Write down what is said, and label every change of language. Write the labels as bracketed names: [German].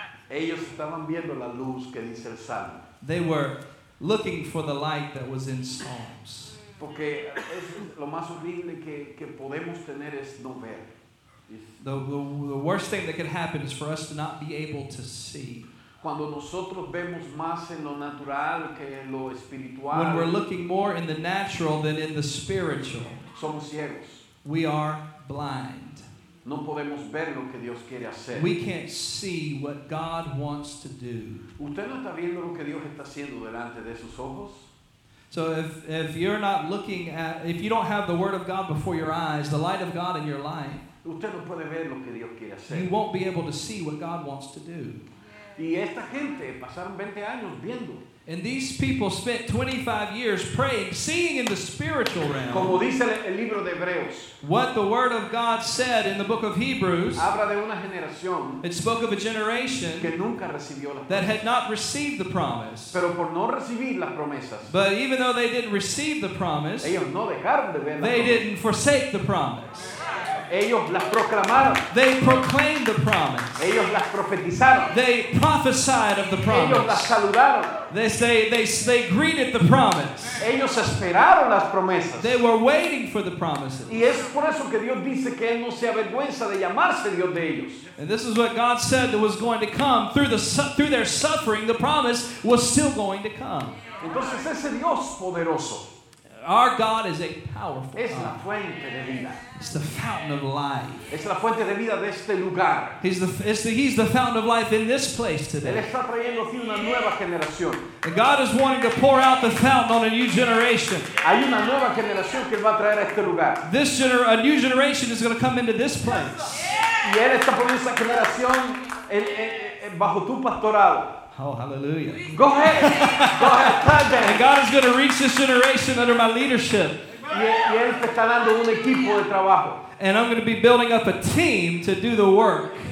[Spanish] Ellos estaban viendo la luz que dice el Salmo. [English] They were looking for the light that was in Psalms. [Spanish] Porque es lo más horrible que podemos tener es no ver. [English] The worst thing that could happen is for us to not be able to see. [Spanish] Cuando nosotros vemos más en lo natural que en lo espiritual. [English] When we're looking more in the natural than in the spiritual. [Spanish] Somos ciegos. [English] We are blind. [Spanish] No podemos ver lo que Dios quiere hacer. [English] We can't see what God wants to do. [Spanish] ¿Usted no está viendo lo que Dios está haciendo delante de sus ojos? [English] So if you're not looking at, if you don't have the Word of God before your eyes, the light of God in your life, [Spanish] usted no puede ver lo que Dios quiere hacer. [English] You won't be able to see what God wants to do. [Spanish] Y esta gente pasaron 20 años viendo. [English] And these people spent 25 years praying, seeing in the spiritual realm. [Spanish] Como dice el libro de Hebreos. [English] What the Word of God said in the book of Hebrews. [Spanish] Habla de una generación. [English] It spoke of a generation [Spanish] que nunca recibió la [English] that had not received the promise. [Spanish] Pero por no recibir las promesas. [English] But even though they didn't receive the promise, [Spanish] ellos no dejaron de ver la [English] they [Spanish] promesa. [English] Didn't forsake the promise. [Spanish] Ellos las proclamaron. [English] They proclaimed the promise. [Spanish] Ellos las profetizaron. [English] They prophesied of the promise. [Spanish] Ellos las saludaron. [English] They greeted the promise. [Spanish] Ellos esperaron las promesas. [English] They were waiting for the promises. [Spanish] Y es por eso que Dios dice que él no se avergüenza de llamarse Dios de ellos. [English] And this is what God said that was going to come through their suffering. The promise was still going to come. [Spanish] Entonces ese Dios poderoso. [English] Our God is a powerful [Spanish] es la fuente [English] God. [Spanish] De vida. [English] It's the fountain of life. [Spanish] Es la fuente de vida de este lugar. [English] He's the fountain of life in this place today. [Spanish] Él está trayendo aquí una nueva generación. [English] And God is wanting to pour out the fountain on a new generation. [Spanish] Hay una nueva generación que va a traer a este lugar. [English] A new generation is going to come into this place. [Spanish] Y él está poniendo esa generación bajo tu pastorado. [English] Oh, hallelujah. Go ahead. Go ahead. And God is going to reach this generation under my leadership. And I'm going to be building up a team to do the work.